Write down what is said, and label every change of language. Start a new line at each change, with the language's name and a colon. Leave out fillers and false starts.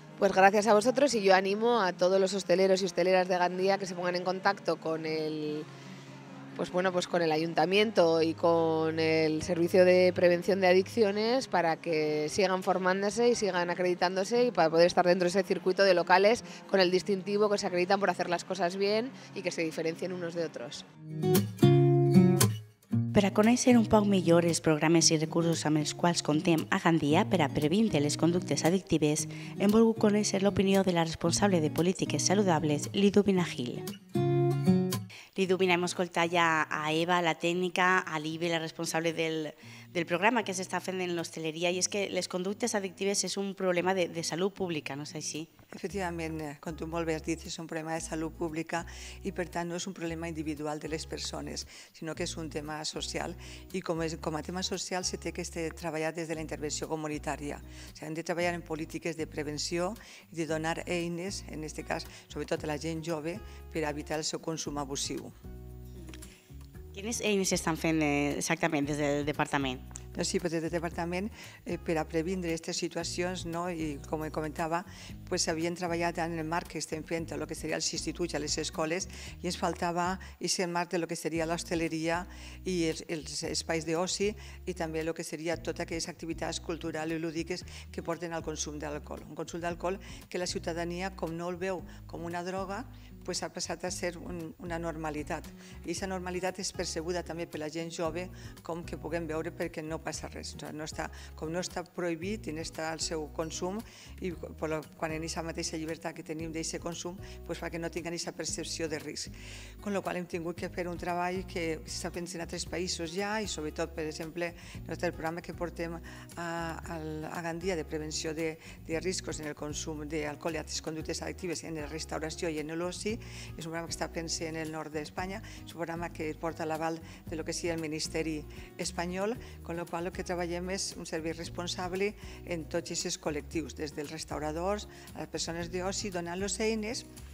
Spanish: Pues gracias a vosotros y yo animo a todos los hosteleros y hosteleras de Gandía que se pongan en contacto con el, pues bueno, pues con el ayuntamiento y con el Servicio de Prevención de Adicciones para que sigan formándose y sigan acreditándose y para poder estar dentro de ese circuito de locales con el distintivo que se acreditan por hacer las cosas bien y que se diferencien unos de otros.
Catalan: Per a conèixer un poc millor els programes i recursos amb els quals contem a Gandia per a previndre les conductes addictives, hem volgut conèixer l'opinió de la responsable de Polítiques Saludables, Liduvina Gil. Liduvina, hem escoltat ja a Eva, la tècnica, a Libe, la responsable del
Spanish: del programa que se está haciendo en la hostelería, y es que las conductas adictivas es un problema de salud pública, ¿no es así?
Catalan: Efectivament, com tu molt bé has dit, és un problema de salut pública i per tant no és un problema individual de les persones, sinó que és un tema social i com a tema social se té que treballar des de la intervenció comunitària. O sigui, hem de treballar en polítiques de prevenció i de donar eines, en aquest cas, sobretot a la gent jove, per evitar el seu consum abusiu. Quines eines estan fent exactament des del departament?
Spanish: Sí, pues desde el departamento, para prevenir estas situaciones, ¿no? Y como comentaba, pues se habían trabajado en el marco que estén frente a lo que sería el instituto y a las escuelas, y nos faltaba ese marco de lo que sería la hostelería y el espacio de OSI, y también lo que sería todas aquellas actividades culturales y lúdicas que porten al consumo de alcohol. Un consumo de alcohol que la ciudadanía, como no lo veo como una droga, pues
Catalan: ha passat a ser una normalitat. I aquesta normalitat és percebuda també per la gent jove com que puguem veure perquè no passa res. Com no està prohibit i no està el seu consum, i quan en aquesta mateixa llibertat que tenim d'aquest consum, pues fa que no tinguin aquesta percepció de risc.
Spanish: Con lo cual
Catalan: hem tingut que fer un treball que s'està fent en altres països ja, i sobretot, per exemple, el programa que portem a Gandia de prevenció de riscos en el consum d'alcohol i altres conductes addictives en la restauració i en l'oci, és un programa que està pensant en el nord d'Espanya, és un programa que porta l'aval de lo que sigui el Ministeri Espanyol, con lo cual lo que treballem és un servei responsable en tots aquests col·lectius, des dels restauradors, a les persones d'oci, donant-los eines